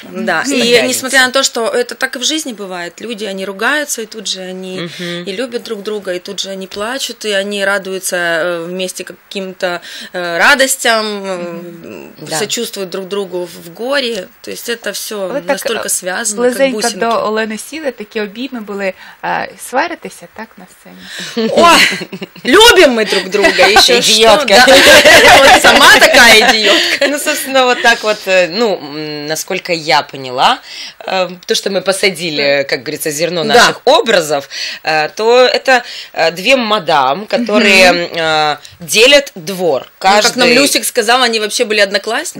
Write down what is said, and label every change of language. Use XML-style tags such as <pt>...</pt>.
<ru>Да, и несмотря на то, что это так и в жизни бывает, люди, они ругаются, и тут же они и любят друг друга, и тут же они плачут, и они радуются вместе каким-то радостям, сочувствуют друг другу в горе, то есть это все настолько связано, как бусинки.</ru> <uk>Близенько до Олени сіли, такі обійми були, сваритися, так, на сцені? О, любим ми друг друга, і що, ідіотка. Да? Сама така ідіотка.</uk> <ru>Ну, собственно, вот так вот, ну, насколько я поняла, то, что мы посадили, как говорится, зерно наших образов, то это две мадам, которые делят двор. Каждый... Ну, как нам Люсик сказал, они вообще были одноклассницы.</ru>